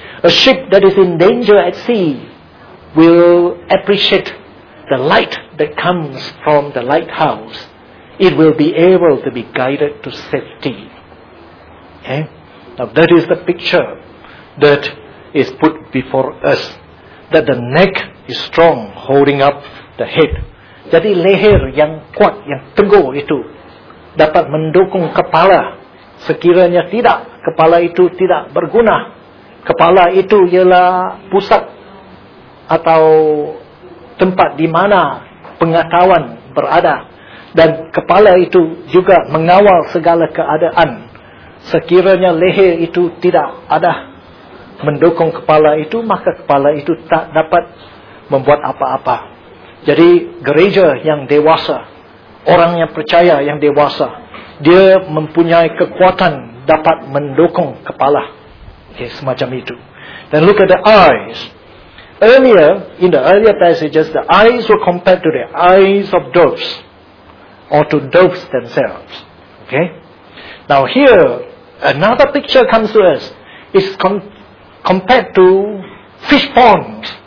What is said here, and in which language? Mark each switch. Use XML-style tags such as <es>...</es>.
<en>A ship that is in danger at sea will appreciate the light that comes from the lighthouse. It will be able to be guided to safety. Okay? Now that is the picture that is put before us. That the neck is strong, holding up the head.</en> <ms>Jadi leher yang kuat, yang teguh itu dapat mendukung kepala. Sekiranya tidak, kepala itu tidak berguna. Kepala itu ialah pusat atau tempat di mana pengetahuan berada. Dan kepala itu juga mengawal segala keadaan. Sekiranya leher itu tidak ada mendukung kepala itu, maka kepala itu tak dapat membuat apa-apa. Jadi gereja yang dewasa, orang yang percaya yang dewasa, dia mempunyai kekuatan dapat mendukung kepala.</ms> <en>Okay,</en> <ms>semacam itu.</ms> <en>Then look at the eyes. Earlier, in the earlier passages, the eyes were compared to the eyes of doves, or to doves themselves. Okay? Now here, another picture comes to us. It's compared to fish ponds.</en>